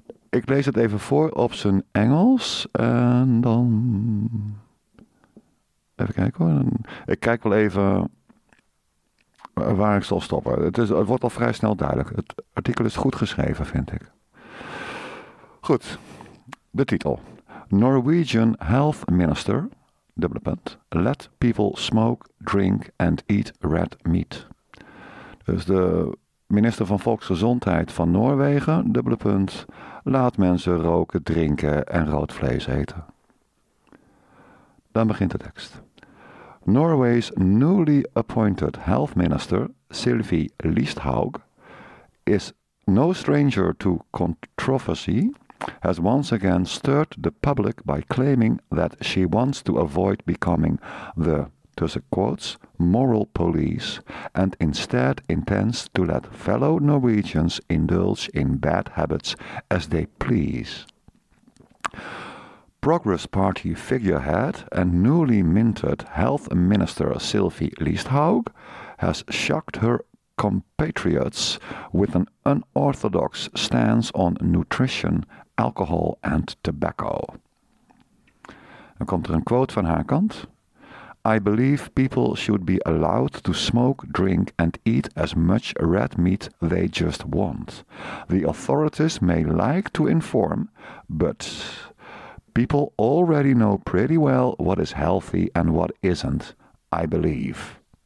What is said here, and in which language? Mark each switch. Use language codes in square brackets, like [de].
[nl] Ik lees het even voor op zijn Engels en dan even kijken hoor. Ik kijk wel even waar ik zal stoppen. Het wordt al vrij snel duidelijk. Het artikel is goed geschreven, vind ik. Goed, de titel. [en] Norwegian Health Minister, [nl] dubbele punt, [en] let people smoke, drink and eat red meat. [nl] Dus de minister van Volksgezondheid van Noorwegen, dubbele punt, laat mensen roken, drinken en rood vlees eten. Dan begint de tekst. [en] Norway's newly appointed health minister, Sylvie Listhaug, is no stranger to controversy, has once again stirred the public by claiming that she wants to avoid becoming the, [nl] tussen quotes, [en] moral police, and instead intends to let fellow Norwegians indulge in bad habits as they please. Progress Party figurehead and newly minted Health Minister Sylvie Listhaug has shocked her compatriots with an unorthodox stance on nutrition, alcohol and tobacco. [nl] Dan komt er een quote van haar kant. [en] I believe people should be allowed to smoke, drink and eat as much red meat they just want. The authorities may like to inform, but people already know pretty well what is healthy and what isn't, I believe.